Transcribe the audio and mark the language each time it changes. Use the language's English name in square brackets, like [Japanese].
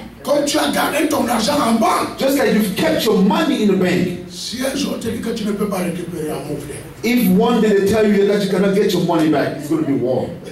[French] Quand tu as gardé ton argent en banque, [English] just like you've kept your money in the bank. [French] Si un jour tu dis que tu ne peux pas récupérer un mouvement. [English] If one day they tell you that you cannot get your money back, it's going to be war.